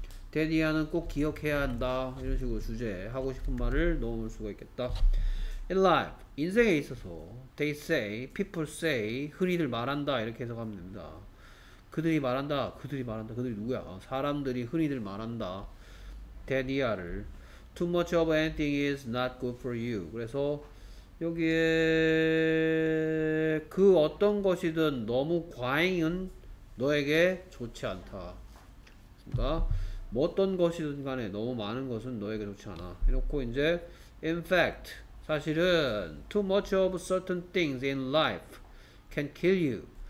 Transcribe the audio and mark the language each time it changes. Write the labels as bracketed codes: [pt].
[ko] 데디아는 꼭 기억해야 한다. 이런 식으로 주제 하고 싶은 말을 넣을 수가 있겠다. [en] In life [ko] 인생에 있어서 [en] they say people say [ko] 흔히들 말한다 이렇게 해석하면 됩니다. 그들이 말한다. 그들이 말한다. 그들이 누구야? 사람들이 흔히들 말한다. 데디아를. [en] Too much of anything is not good for you. [ko] 그래서 여기에 그 어떤 것이든 너무 과잉은 너에게 좋지 않다. 그러니까 뭐 어떤 것이든 간에 너무 많은 것은 너에게 좋지 않아. 이렇고 이제 [en] In fact, [ko] 사실은 [en] Too much of certain things in life can kill you.